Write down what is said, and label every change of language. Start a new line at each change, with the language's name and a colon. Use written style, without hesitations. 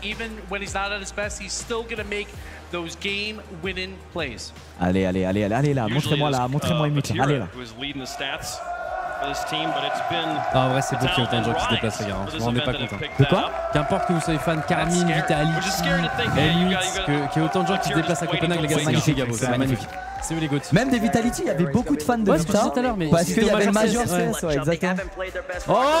English: Even when he's not at his best, he's still gonna make those game winning plays.
French: Allez là, montrez-moi Emmett. Allez là.
English: Who is leading the stats for this team, but it's been
French: ah, en vrai, c'est beau qu'il y ait un joueur qui se déplace, regarde. On n'est pas content. De quoi? Qu'importe que vous soyez fan, Carmine, Vitality, Emmett, qu'il y ait autant de gens qui se déplacent à Copenhague, les gars, c'est magnifique. C'est où les GOATs? Même des Vitality, il y avait beaucoup de fans de Vita. Parce qu'il y avait le Major CS, ouais, exactement. Oh!